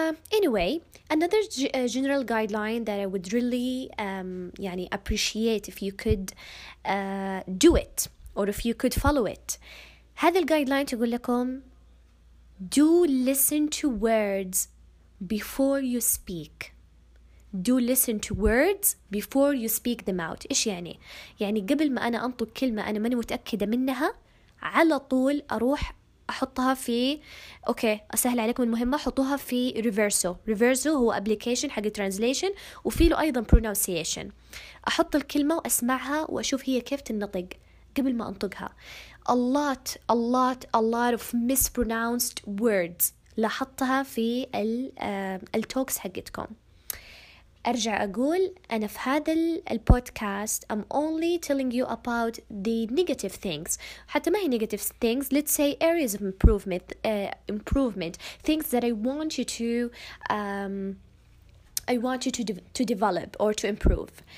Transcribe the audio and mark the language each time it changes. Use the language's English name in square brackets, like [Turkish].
[English] Anyway, another general guideline that I would really يعني appreciate if you could do it or if you could follow it. [Arabic] هذا الguideline تقول لكم [English] do listen to words before you speak. Do listen to words before you speak them out. [Arabic] إيش يعني؟ يعني قبل ما أنا أنطق كلمة أنا ماني متأكدة منها على طول أروح أحطها في أوكي أسهل عليكم المهمة حطوها في ريفيرسو. ريفيرسو هو أبليكيشن حق ترانزليشن وفيله أيضا برونونسيشن. أحط الكلمة وأسمعها وأشوف هي كيف تنطق قبل ما أنطقها. [English] A lot of mispronounced words [Arabic] لاحظتها في التوكس حقتكم. أرجع أقول أنا في هذا البودكاست [English] I'm only telling you about the negative things. [Arabic] حتى ما هي [English] negative things, let's say areas of improvement, things that I want you to develop or to improve.